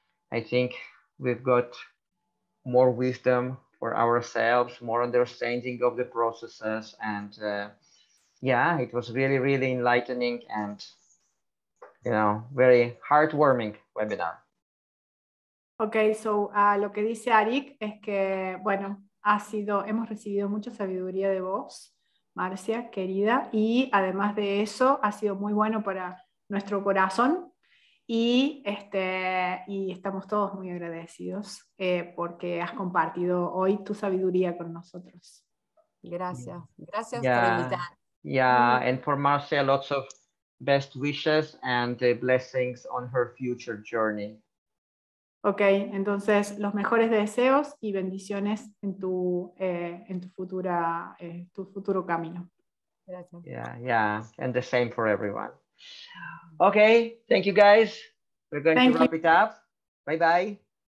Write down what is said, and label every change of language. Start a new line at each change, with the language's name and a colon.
English: I think we've got more wisdom for ourselves, more understanding of the processes. And yeah, it was really, really enlightening and, you know, very heartwarming webinar.
Spanish: Okay, so lo que dice Arik es que, bueno, hemos recibido mucha sabiduría de vos, Marzia, querida, y además de eso, ha sido muy bueno para nuestro corazón y estamos todos muy agradecidos porque has compartido hoy tu sabiduría con nosotros. Gracias. Gracias yeah. por invitar.
English: Yeah, mm-hmm. And for Marzia, lots of best wishes and blessings on her future journey.
Spanish: Okay, entonces los mejores deseos y bendiciones en tu futuro camino.
English: Gracias. Yeah, yeah, and the same for everyone. Okay, thank you guys. We're going to wrap it up. Bye-bye.